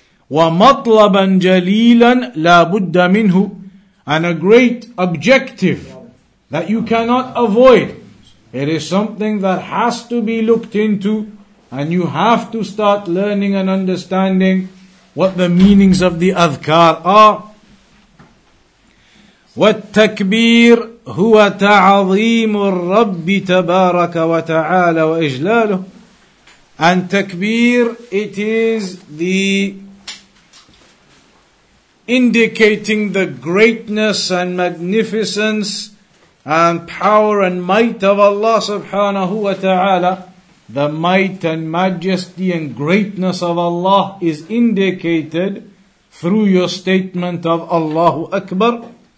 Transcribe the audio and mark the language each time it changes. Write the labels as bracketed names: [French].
[Arabic] وَمَطْلَبًا جَلِيلًا لَا بُدَّ مِنْهُ. [English] And a great objective that you cannot avoid. It is something that has to be looked into, and you have to start learning and understanding what the meanings of the adhkar are. [Arabic] والتكبير هو تعظيم الرب تبارك وتعالى وإجلاله. [English] And takbir, it is the indicating the greatness and magnificence and power and might of Allah subhanahu wa ta'ala. The might and majesty and greatness of Allah is indicated through your statement of Allahu Akbar.